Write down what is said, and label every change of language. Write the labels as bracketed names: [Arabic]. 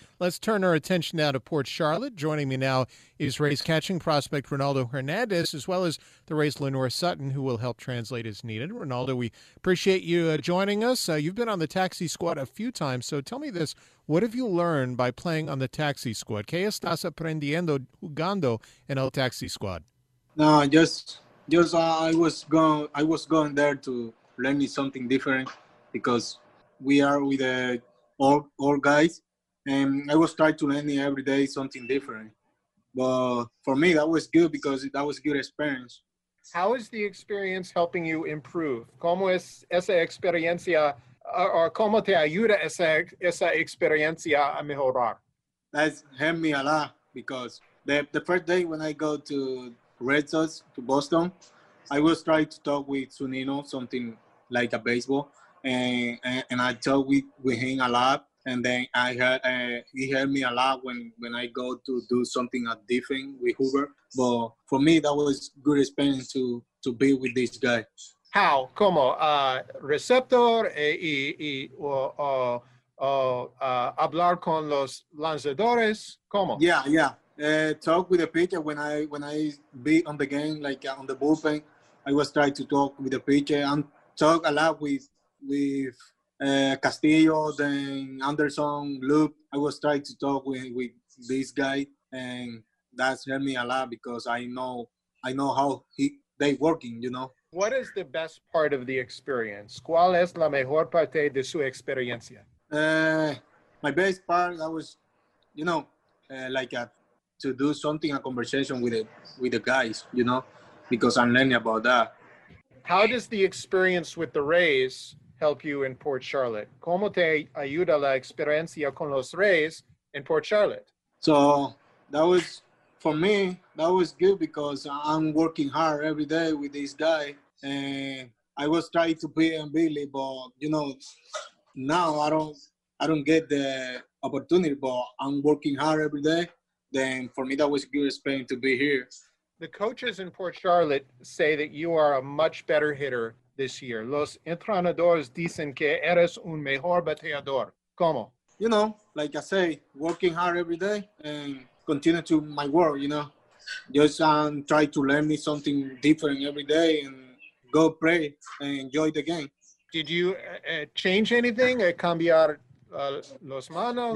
[English] Let's turn our attention now to Port Charlotte. Joining me now is Rays catching prospect Ronaldo Hernandez, as well as the Rays' Lenore Sutton, who will help translate as needed. Ronaldo, we appreciate you joining us. You've been on the taxi squad a few times, so tell me this. What have you learned by playing on the taxi squad? [Spanish] ¿Qué estás aprendiendo jugando en el taxi squad? [English] No, just I was going there to learn me something different, because we are with the old guys, and I was trying to learn every day something different. But for me, that was good, because that was a good experience. How is the experience helping you improve? [Spanish] ¿Cómo es esa experiencia, or cómo te ayuda esa experiencia a mejorar? [English] That's helped me a lot, because the first day when I go to Red Sox, to Boston, I was trying to talk with Zunino, something like a baseball, and I talked with him a lot, and then I heard, he helped me a lot when I go to do something different with Hoover. But for me, that was good experience to be with this guy. [Spanish] How? Como? Receptor hablar con los lanzadores? Como? [English] Yeah. Talk with the pitcher when I be on the game, like on the bullpen. I was trying to talk with the pitcher and talk a lot with Castillo, then Anderson, Luke. I was trying to talk with this guy, and that's helped me a lot, because I know how they working, you know. What is the best part of the experience? [Spanish] ¿Cuál es la mejor parte de su experiencia? [English] My best part, that was, you know, to do something, a conversation with the guys, you know, because I'm learning about that. How does the experience with the Rays help you in Port Charlotte? [Spanish] ¿Cómo te ayuda la experiencia con los Rays in Port Charlotte. [English] So that was, for me, that was good because I'm working hard every day with this guy. And I was trying to be in Billy, but, you know, now I don't get the opportunity, but I'm working hard every day. Then for me, that was good experience to be here. The coaches in Port Charlotte say that you are a much better hitter this year. [Spanish] Los entrenadores dicen que eres un mejor bateador. ¿Cómo? [English] You know, like I say, working hard every day and continue to my work, you know. Just try to learn me something different every day and go play and enjoy the game. Did you change anything? [Spanish] Cambiar los manos?